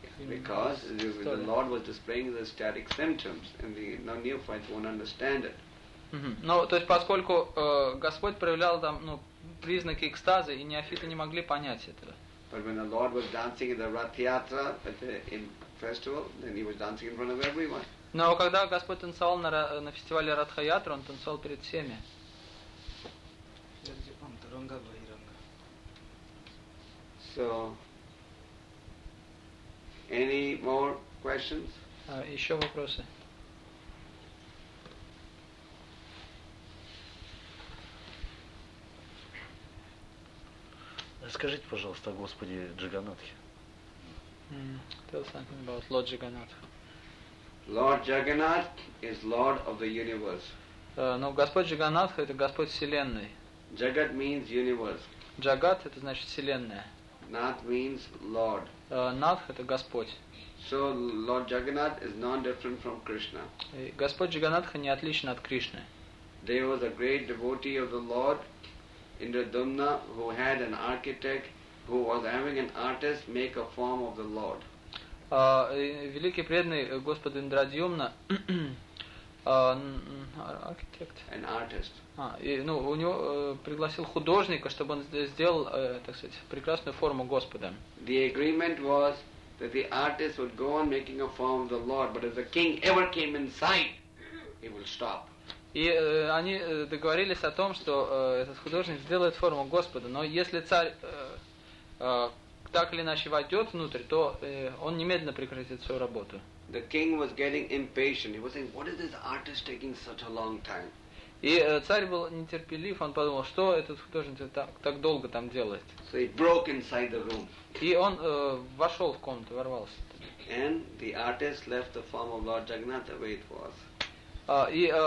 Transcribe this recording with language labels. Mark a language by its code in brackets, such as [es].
[en] Because the Lord was displaying the static symptoms and the neophytes won't understand it. [ru] Ну, то есть поскольку Господь проявлял там признаки экстазы, и неофиты не могли понять этого. [en] But when the Lord was dancing in the Rath Yatra at the festival, then he was dancing in front of everyone. [ru] Но когда Господь танцевал на фестивале Радха-Ятра, Он танцевал перед всеми. [en] So, any more questions? [ru] Еще вопросы? Скажите, пожалуйста, о Господе Джаганнатхе. [en] Tell something about Lord Jagannath. Lord Jagannath is Lord of the universe. [ru] Но Господь Джаганнатх это Господь Вселенной. [en] Jagat means universe. [ru] Jagat это значит Вселенная. [en] Nath means Lord. [ru] Nath это Господь. [en] So Lord Jagannath is non-different from Krishna. [ru] Господь Джаганнатх не отличен от Кришны. [en] There was a great devotee of the Lord. Indradumna, who had an architect, who was having an artist make a form of the Lord. [ru] Великий преданный Господь Индрадьюмна, architect. [en] An artist. [ru] У него пригласил художника, чтобы он сделал, так сказать, прекрасную форму Господа. [en] The agreement was that the artist would go on making a form of the Lord, but if the king ever came inside, he will stop. [ru] И они договорились о том, что этот художник сделает форму Господа, но если царь так или иначе войдет внутрь, то он немедленно прекратит свою работу. [en] The king was getting impatient. He was saying, "What is this artist taking such a long time?" [ru] И царь был нетерпелив. Он подумал, что этот художник так долго там делает. [en] So he broke inside the room. [ru] И он вошел в комнату, ворвался. [en] And the artist left the form of Lord Jagannath the way it was.